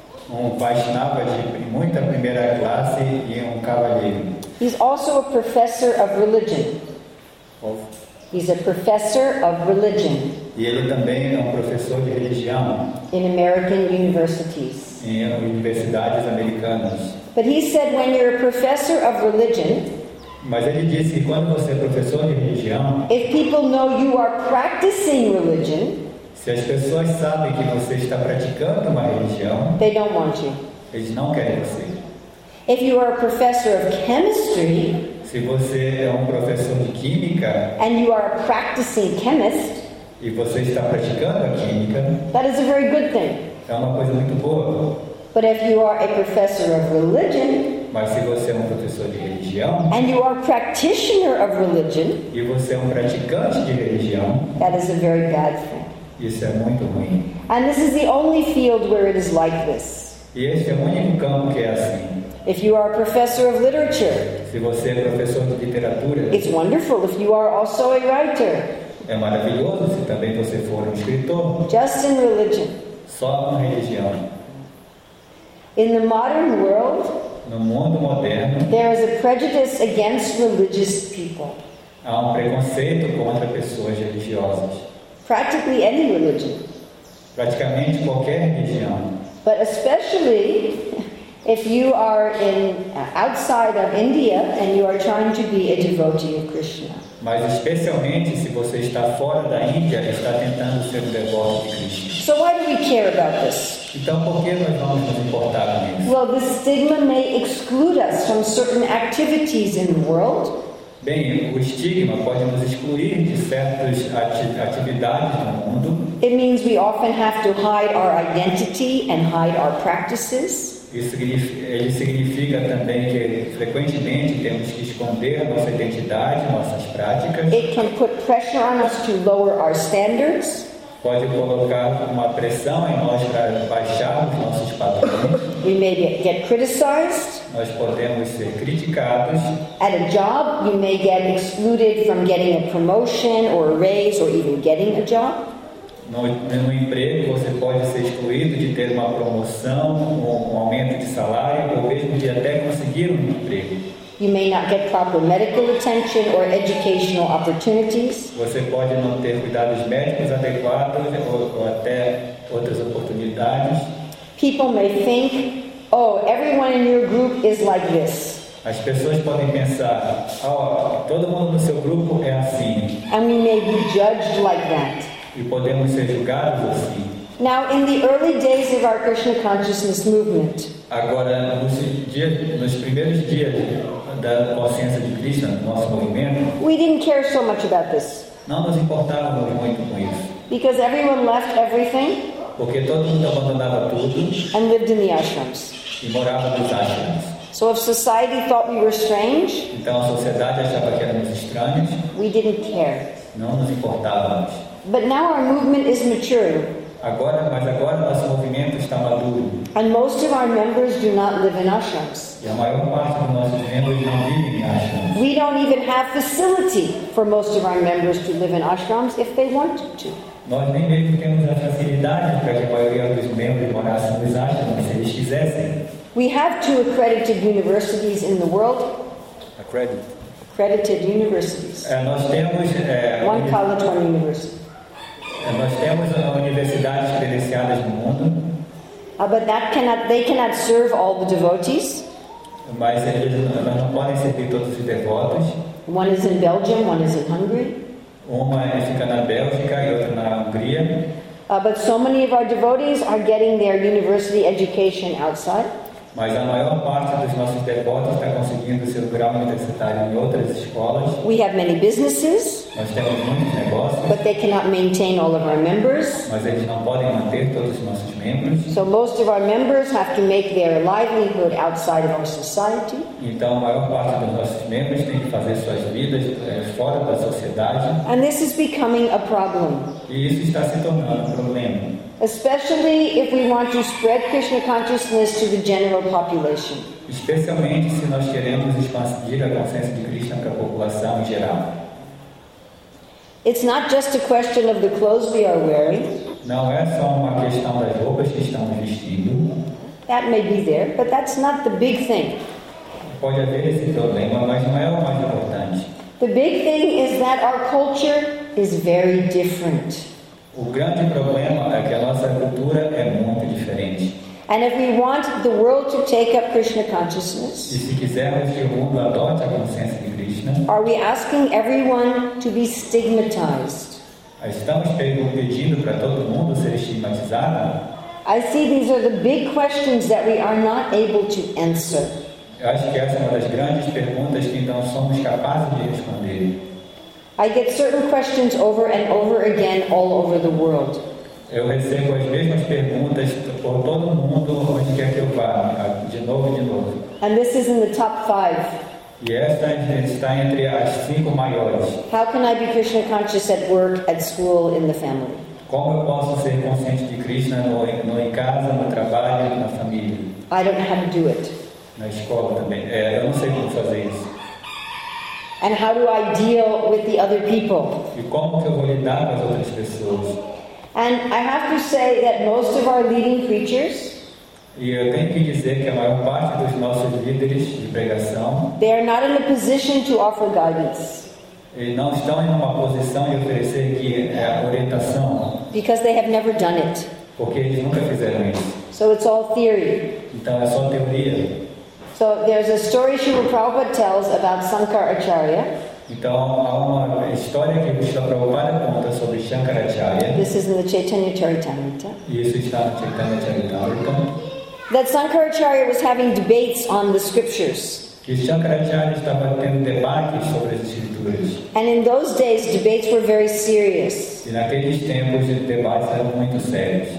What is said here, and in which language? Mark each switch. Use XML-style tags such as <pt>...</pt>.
<pt>Um Vaishnava de muita primeira classe e um cavalheiro.</pt> <en>He's also a professor of religion. He's a professor of religion.</en> <pt>E ele também é um professor de religião.</pt> <en>In American universities.</en> <pt>Em universidades americanas.</pt> <en>But he said when you're a professor of religion.</en> <pt>Mas ele disse que quando você é professor de religião.</pt> <en>If people know you are practicing religion.</en> <pt>Se as pessoas sabem que você está praticando uma religião.</pt> <en>They don't want you.</en> <pt>Eles não querem você.</pt> <en>If you are a professor of chemistry.</en> <pt>Se você é um professor de química.</pt> <en>And you are a practicing chemist.</en> <pt>E você está praticando a química.</pt> <en>That is a very good thing.</en> <pt>É uma coisa muito boa.</pt> <en>But if you are a professor of religion,</en> <pt>mas se você é um professor de religião,</pt> <en>and you are a practitioner of religion,</en> <pt>e você é um praticante de religião,</pt> <en>that is a very bad thing.</en> <pt>Isso é muito ruim.</pt> <en>And this is the only field where it is like this.</en> <pt>E esse é o único campo que é assim.</pt> <en>If you are a professor of literature,</en> <pt>Se você é professor de literatura,</pt> <en>it's wonderful if you are also a writer.</en> <pt>É maravilhoso se também você for um escritor.</pt> <en>Just in religion.</en> <pt>Só na religião.</pt> <en>In the modern world,</en> <pt>no mundo moderno,</pt> <en>there is a prejudice against religious people.</en> <pt>Há um preconceito contra pessoas religiosas.</pt> <en>Practically any religion.</en> <pt>Praticamente qualquer religião.</pt> <en>But especially if you are in outside of India and you are trying to be a devotee of Krishna.</en> <pt>Mas especialmente se você está fora da Índia e está tentando ser um devoto de Krishna.</pt> <en>So why do we care about this?</en> <pt>Então por que nós vamos nos importar com isso?</pt> <en>Well, this stigma may exclude us from certain activities in the world.</en> <pt>Bem, o estigma pode nos excluir de certas atividades no mundo.</pt> <en>It means we often have to hide our identity and hide our practices.</en> <pt>Ele significa também que frequentemente temos que esconder a nossa identidade, nossas práticas.</pt> <en>It can put pressure on us to lower our standards.</en> <pt>Pode colocar uma pressão em nós para baixarmos nossos padrões.</pt> <en>We may get criticized.</en> <pt>Nós podemos ser criticados.</pt> <en>At a job, you may get excluded from getting a promotion or a raise or even getting a job.</en> <pt>No emprego, você pode ser excluído de ter uma promoção, um aumento de salário, ou mesmo de até conseguir um emprego.</pt> <en>You may not get proper medical attention or educational opportunities.</en> <pt>Você pode não ter cuidados médicos adequados ou até outras oportunidades.</pt> <en>People may think, oh, everyone in your group is like this.</en> <pt>As pessoas podem pensar, oh, todo mundo no seu grupo é assim.</pt> <en>And we may be judged like that.</en> <pt>E podemos ser julgados assim.</pt> <en>Now, in the early days of our Krishna consciousness movement,</en> <pt>agora, nos primeiros dias da consciência de Krishna, nosso movimento,</pt> <en>we didn't care so much about this.</en> <pt>Não nos importávamos muito com isso.</pt> <en>Because everyone left everything.</en> <pt>Porque todo mundo abandonava tudo.</pt> <en>And lived in the ashrams.</en> <pt>E morava nos ashrams.</pt> <en>So if society thought we were strange,</en> <pt>então a sociedade achava que éramos estranhos.</pt> <en>We didn't care.</en> <pt>Não nos importávamos.</pt> <en>But now our movement is maturing.</en> <pt>Agora nosso movimento está maduro.</pt> <en>And most of our members do not live in ashrams.</en> <pt>E a maior parte dos nossos membros não vive em ashrams.</pt> <en>We don't even have facility for most of our members to live in ashrams if they want to.</en> <pt>Nós nem mesmo temos a facilidade para que a maioria dos membros morassem nos ashrams se eles quisessem.</pt> <en>We have 2 accredited universities in the world. Accredited universities.</en> <pt>Nós temos</pt> <en>one college, one university.</en> <pt>Nós temos universidades credenciadas no mundo.</pt> <en>But they cannot serve all the devotees.</en> <pt>Mas eles não podem servir todos os devotos.</pt> <en>One is in Belgium, one is in Hungary.</en> <pt>Uma fica na Bélgica e outra na Hungria.</pt> <en>But so many of our devotees are getting their university education outside.</en> <pt>Mas a maior parte dos nossos devotos está conseguindo seu grau universitário em outras escolas.</pt> <en>We have many businesses.</en> <pt>Nós temos muitos negócios.</pt> <en>But they cannot maintain all of our members.</en> <pt>Mas eles não podem manter todos os nossos membros.</pt> <en>So most of our members have to make their livelihood outside of our society.</en> <pt>Então a maior parte dos nossos membros tem que fazer suas vidas fora da sociedade.</pt> <en>And this is becoming a problem.</en> <pt>E isso está se tornando um problema.</pt> <en>Especially if we want to spread Krishna consciousness to the general population.</en> <pt>Especialmente se nós queremos expandir a consciência de Krishna para a população em geral.</pt> <en>It's not just a question of the clothes we are wearing.</en> <pt>Não é só uma questão das roupas que estamos vestindo.</pt> <en>That may be there, but that's not the big thing.</en> <pt>Pode haver esse problema, mas não é o mais importante.</pt> <en>The big thing is that our culture is very different.</en> <pt>O grande problema é que a nossa cultura é muito diferente.</pt> <en>And if we want the world to take up Krishna consciousness,</en> <pt>e se quisermos que o mundo adote a consciência de Krishna,</pt> <en>are we asking everyone to be stigmatized?</en> <pt>Estamos pedindo para todo mundo ser estigmatizado?</pt> <en>I see these are the big questions that we are not able to answer.</en> <pt>Eu acho que essa é uma das grandes perguntas que não somos capazes de responder.</pt> <en>I get certain questions over and over again all over the world.</en> <pt>Eu recebo as mesmas perguntas por todo mundo onde quer que eu vá, de novo e de novo.</pt> <en>And this is in the top 5.</en> <pt>E esta está entre as 5 maiores.</pt> <en>How can I be Krishna conscious at work, at school, in the family?</en> <pt>Como eu posso ser consciente de Krishna no em casa, no trabalho, na família?</pt> <en>I don't know how to do it.</en> <pt>Na escola também. Eu não sei como fazer isso.</pt> <en>And how do I deal with the other people?</en> <pt>E como que eu vou lidar com as outras pessoas?</pt> <en>And I have to say that most of our leading preachers,</en> <pt>e eu tenho que dizer que a maior parte dos nossos líderes de pregação,</pt> <en>they are not in a position to offer guidance.</en> <pt>Eles não estão em uma posição de oferecer aqui a orientação.</pt> <en>Because they have never done it.</en> <pt>Porque eles nunca fizeram isso.</pt> <en>So it's all theory.</en> <pt>Então é só teoria.</pt> <en>So there's a story Srila Prabhupada tells about Shankaracharya.</en> <pt>Então há uma história que Srila Prabhupada conta sobre Shankaracharya.</pt> <en>This is in the Chaitanya Charitamrita.</en> <pt>Isso está no Chaitanya Charitamrita.</pt> <en>That Shankaracharya was having debates on the scriptures.</en> <pt>Que Shankaracharya estava tendo debates sobre as escrituras.</pt> <en>And in those days, debates were very serious.</en> <pt>E naqueles tempos, os debates eram muito sérios.</pt>